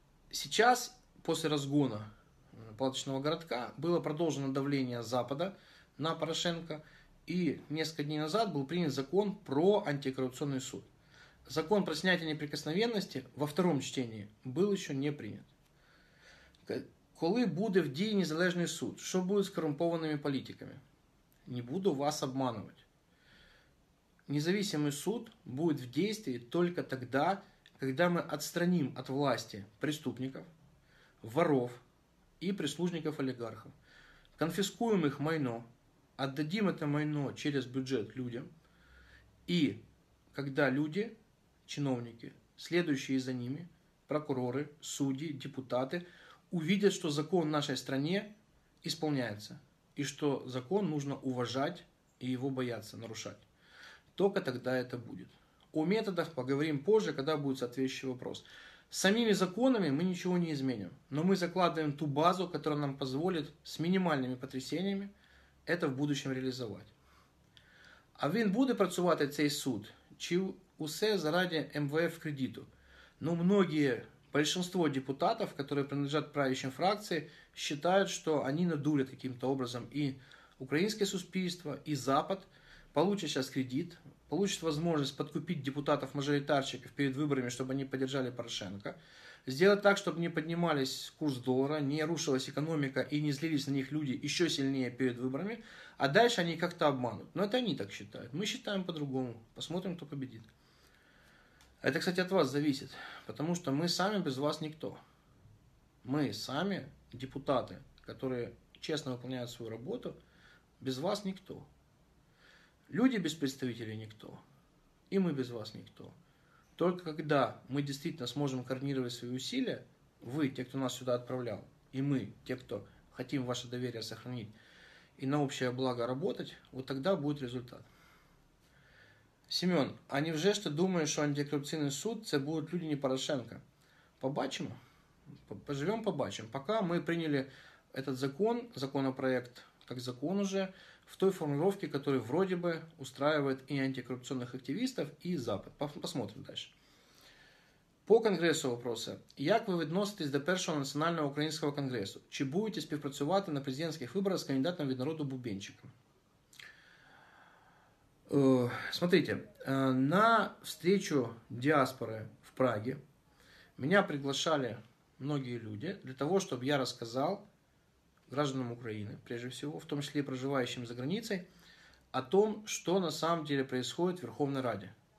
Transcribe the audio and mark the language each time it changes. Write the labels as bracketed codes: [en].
[ru] Сейчас, после разгона палаточного городка, было продолжено давление Запада на Порошенко. И несколько дней назад был принят закон про антикоррупционный суд. Закон про снятие неприкосновенности во втором чтении был еще не принят. К [uk] Коли буде в дії незалежний суд, що буде з корумпованими політиками? Не буду вас обманувати. Незалежний суд буде в дії тільки тоді, коли ми відстранимо від влади преступників, воров і прислужників олігархів. Конфіскуємо їх майно, віддадимо це майно через бюджет людям. І коли люди, чиновники, слідуючі за ними, прокурори, судді, депутати, [ru] увидят, что закон в нашей стране исполняется, и что закон нужно уважать и его бояться нарушать. Только тогда это будет. О методах поговорим позже, когда будет соответствующий вопрос. С самими законами мы ничего не изменим, но мы закладываем ту базу, которая нам позволит с минимальными потрясениями это в будущем реализовать. [uk] А він буде працювати цей суд, чи усе заради МВФ кредиту? [ru] Но многие... Большинство депутатов, которые принадлежат правящим фракции, считают, что они надули каким-то образом и украинское суспільство, и Запад, получат сейчас кредит, получат возможность подкупить депутатов-мажоритарщиков перед выборами, чтобы они поддержали Порошенко, сделать так, чтобы не поднимались курс доллара, не рушилась экономика и не злились на них люди еще сильнее перед выборами, а дальше они как-то обманут. Но это они так считают. Мы считаем по-другому. Посмотрим, кто победит. Это, кстати, от вас зависит, потому что мы сами без вас никто. Мы сами, депутаты, которые честно выполняют свою работу, без вас никто. Люди без представителей никто, и мы без вас никто. Только когда мы действительно сможем координировать свои усилия, вы, те, кто нас сюда отправлял, и мы, те, кто хотим ваше доверие сохранить и на общее благо работать, вот тогда будет результат. [uk] Семен, а невже ж ти думаєш, що антикорупційний суд – це будуть люди не Порошенка? Побачимо. Поживемо – побачимо. Поки ми прийняли цей закон, законопроект, як закон уже, в той формулировці, яка вроді би устраивает і антикорупційних активістів, і Запад. Посмотрим далі. По Конгресу вопроси. Як ви відноситесь до першого національного українського Конгресу? Чи будете співпрацювати на президентських виборах з кандидатом від народу Бубенчиком? [ru] Смотрите, на встречу диаспоры в Праге меня приглашали многие люди для того, чтобы я рассказал гражданам Украины, прежде всего, в том числе и проживающим за границей, о том, что на самом деле происходит в Верховной Раде.